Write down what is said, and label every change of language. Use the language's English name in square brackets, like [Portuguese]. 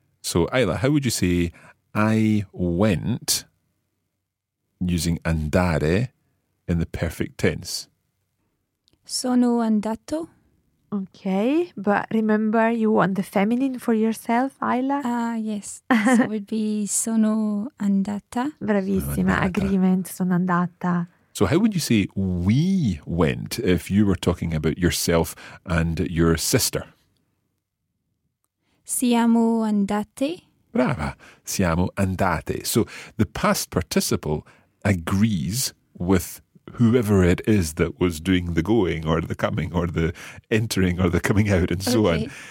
[English] So, Ayla, how would you say, I went, using andare in the perfect tense? [Italian] Sono andato. [English] Okay, but remember you want the feminine for yourself, Ayla? Yes, so it would be [Italian] sono andata. Bravissima, andata. Agreement, sono andata. [English] So how would you say we went if you were talking about yourself and your sister? [Italian] Siamo andate. Brava, siamo andate. [English] So the past participle agrees with whoever it is that was doing the going or the coming or the entering or the coming out and so on.